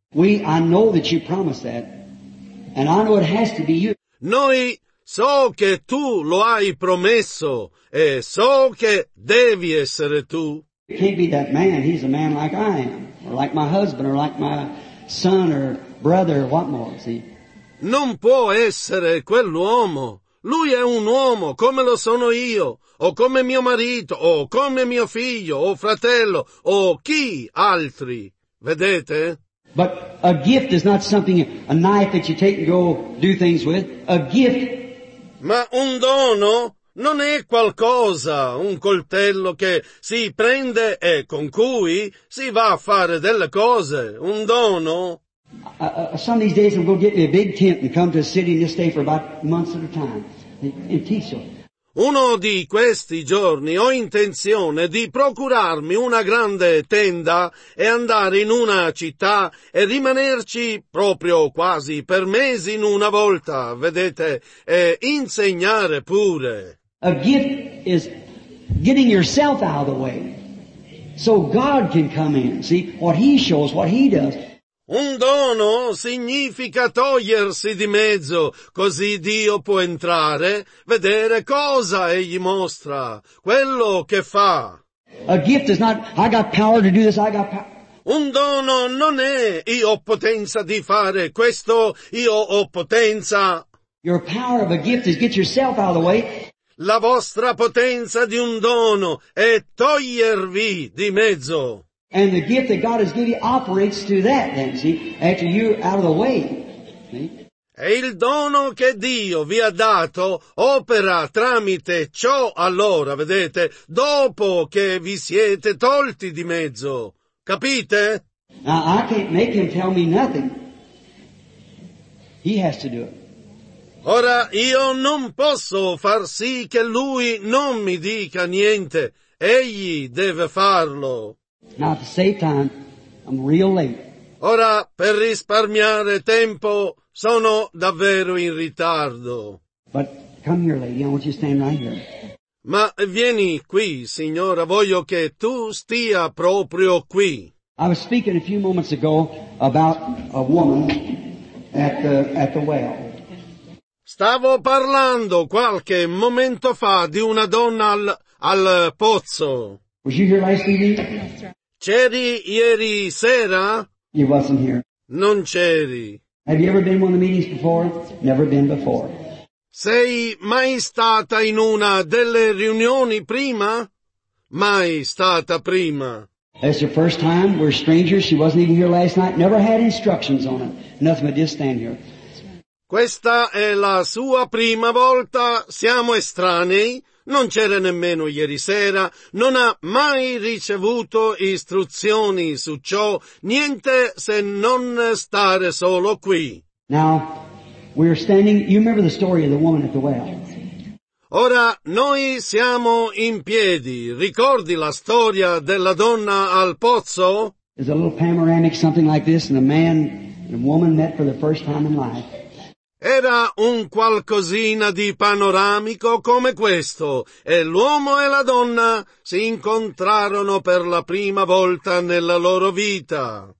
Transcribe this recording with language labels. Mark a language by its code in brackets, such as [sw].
[en] I know that you promised that, and I know it has to be you. [it] Noi so che tu lo hai promesso, e so che devi essere tu. [en] It can't be that man, he's a man like I am, or like my husband, or like my son, or brother, or what more, see? [it] Non può essere quell'uomo. Lui è un uomo, come lo sono io, o come mio marito, o come mio figlio, o fratello, o chi altri. Vedete? [en] But a gift is not something, a knife that you take and go do things with. A gift. [it] Ma un dono non è qualcosa, un coltello che si prende e con cui si va a fare delle cose. Un dono. [en] Some of these days I'm going to get me a big tent and come to a city and just stay for about months at a time and teach them. [it] Uno di questi giorni ho intenzione di procurarmi una grande tenda e andare in una città e rimanerci proprio quasi per mesi in una volta, vedete, e insegnare pure. [en] A gift is getting yourself out of the way so God can come in, see, what he shows, what he does. [it] Un dono significa togliersi di mezzo, così Dio può entrare, vedere cosa egli mostra, quello che fa. [en] A gift is not, I got power to do this, I got power. [it] Un dono non è, io ho potenza di fare questo, io ho potenza. [en] Your power of a gift is get yourself out of the way. [it] La vostra potenza di un dono è togliervi di mezzo. [en] And the gift that God has given you operates through that, then, see, after you're out of the way. See? [it] E il dono che Dio vi ha dato opera tramite ciò allora, vedete, dopo che vi siete tolti di mezzo. Capite? [en] Now, I can't make him tell me nothing. He has to do it. [it] Ora, io non posso far sì che lui non mi dica niente. Egli deve farlo. [en] Now, to save time, I'm real late. [it] Ora, per risparmiare tempo, sono davvero in ritardo. [en] But come here, lady. I want you to stand right here. [it] Ma vieni qui, signora. Voglio che tu stia proprio qui. [en] I was speaking a few moments ago about a woman at the well. [it] Stavo parlando qualche momento fa di una donna al pozzo. [en] Was you here last evening? [it] C'eri ieri sera? [en] You wasn't here. [it] Non c'eri. [en] Have you ever been in one of the meetings before? Never been before. [it] Sei mai stata in una delle riunioni prima? Mai stata prima. [en] That's your first time. We're strangers. She wasn't even here last night. Never had instructions on it. Nothing but just stand here. [it] Questa è la sua prima volta. Siamo estranei. Non c'era nemmeno ieri sera, non ha mai ricevuto istruzioni su ciò, niente se non stare solo qui. [en] Now, we are standing, you remember the story of the woman at the well. [it] Ora, noi siamo in piedi, ricordi la storia della donna al pozzo? [en] It's a little panoramic, something like this, and a man and a woman met for the first time in life. [it] Era un qualcosina di panoramico come questo, e l'uomo e la donna si incontrarono per la prima volta nella loro vita.